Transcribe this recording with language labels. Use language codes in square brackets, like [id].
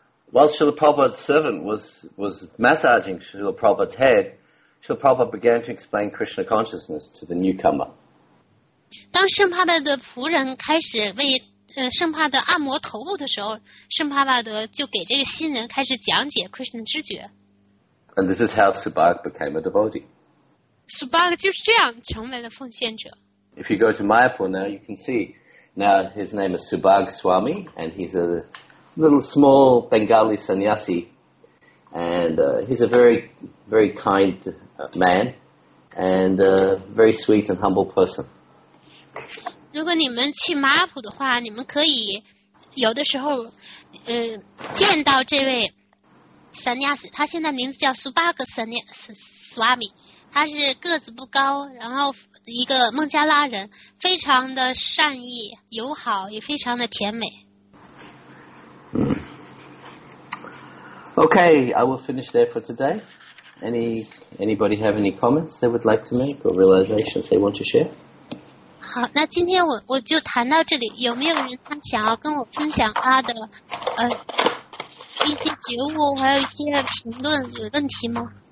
[en] While Srila Prabhupada's servant was massaging Srila Prabhupada's head, Srila Prabhupada began to explain Krishna consciousness to the newcomer. [zh] 当圣帕帕的仆人开始为圣帕德按摩头部的时候，圣帕帕德就给这个新人开始讲解 Krishna 知觉。 [en] And this is how Subhag became a devotee. [zh] Subhag 就是这样成为了奉献者。 [en] If you go to Mayapur now, you can see now his name is Subhag Swami, and he's a little small Bengali sannyasi, and he's a very, very kind man, and a very sweet and humble person. [zh] 如果你们去马普的话，你们可以有的时候，见到这位 Sanyasi， 他现在名字叫 Subhag Swami， 他是个子不高，然后一个孟加拉人，非常的善意、友好，也非常的甜美。 [en] Okay, I will finish there for today. Anybody have any comments they would like to make or realizations they want to share? [zh] 好，那今天我就谈到这里。有没有人他想要跟我分享他的一些觉悟，还有一些评论，有问题吗？